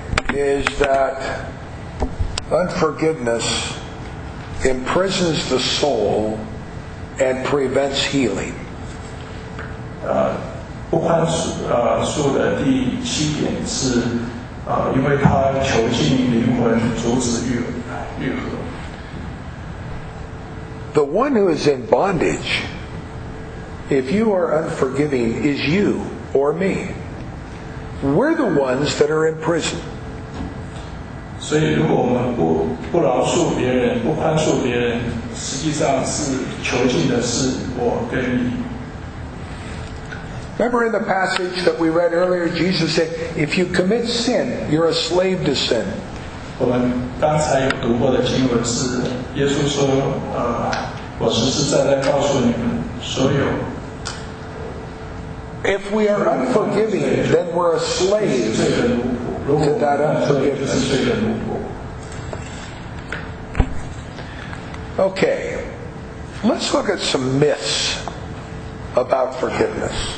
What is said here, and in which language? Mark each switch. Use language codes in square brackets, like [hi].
[en] Is that unforgiveness imprisons the soul and prevents healing? [zh] 不宽恕的第七点是因为它囚禁灵魂，阻止愈合。 [en] The one who is in bondage, if you are unforgiving, is you or me. We're the ones that are in prison. [zh] 所以如果我们 不饶恕别人，不宽恕别人，实际上是囚禁的是我跟你。 [en] Remember in the passage that we read earlier, Jesus said, if you commit sin, you're a slave to sin. [zh] 我们刚才有读过的经文是耶稣说我实实在在告诉你们，所有。 [en] If we are unforgiving, then we're a slave to that unforgiveness. Okay, let's look at some myths about forgiveness.